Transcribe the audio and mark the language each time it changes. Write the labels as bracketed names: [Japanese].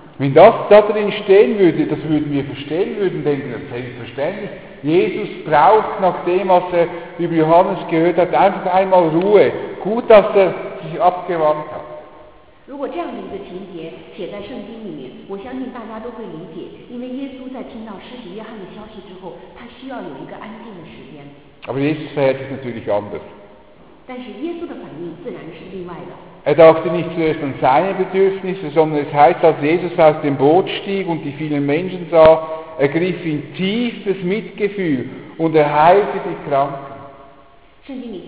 [German] Wenn das da drin stehen würde, das würden wir verstehen, würden denken, das ist selbstverständlich. Jesus braucht nach dem, was er über Johannes gehört hat, einfach einmal Ruhe. Gut, dass er sich abgewandt hat. [Chinese] 如果这样的一个情节写在圣经里面，我相信大家都会理解，因为耶稣在听到施洗约翰的消息之后，他需要有一个安静的时间。 [German] Aber Jesus verhält sich natürlich anders. [Chinese] 但是耶稣的反应自然是另外的。 [German] Er dachte nicht zuerst an seine Bedürfnisse, sondern es heißt, als Jesus aus dem Boot stieg und die vielen Menschen sah, ergriff ihn tiefes Mitgefühl und er heilte die Kranken.